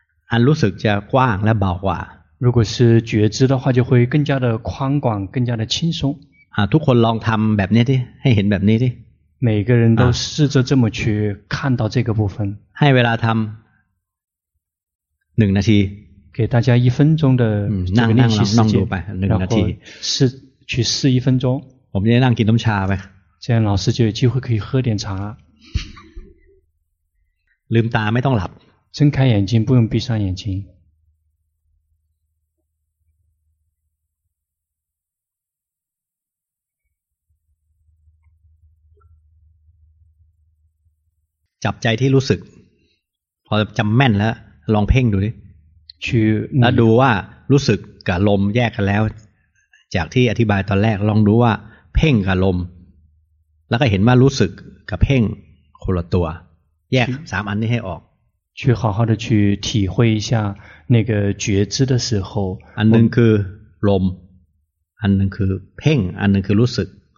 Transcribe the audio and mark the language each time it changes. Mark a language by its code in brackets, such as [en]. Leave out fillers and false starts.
[th] อันรู้สึกจะกว้างและเบากว่า [zh] 如果是觉知的话就会更加的宽广更加的轻松 [th] ทุกคนลองทำแบบนี้ดิให้เห็นแบบนี้ดิ [zh] 每个人都试着这么去看到这个部分 [th] ให้เวลาทำ1นาที [zh] 给大家一分钟的 [th] นั่งนั่งดูไป1นาที [zh] 去试一分钟 [th] ผมจะนั่งกินน้ำชาไป [zh] 这样老师就有机会可以喝点茶 [th] ลืมตาไม่ต้องหลับ [zh] 睁开眼睛不用闭上眼睛 [th] จับใจที่รู้สึกพอจำแม่นแล้วลองเพ่งดูดิ ชื่ อแล้วดูว่ารู้สึกกับลมแยกกันแล้วจากที่อธิบายตอนแรกลองดูว่าเพ่งกับลมแล้วก็เห็นว่ารู้สึกกับเพ่งคนละตัวแยก3อันนี้ให้ออก [zh] 去好好的去体会一下那个觉知的时候 [th] อันนึงคือลมอันนึงคือเพ่งอันนึงคือรู้สึก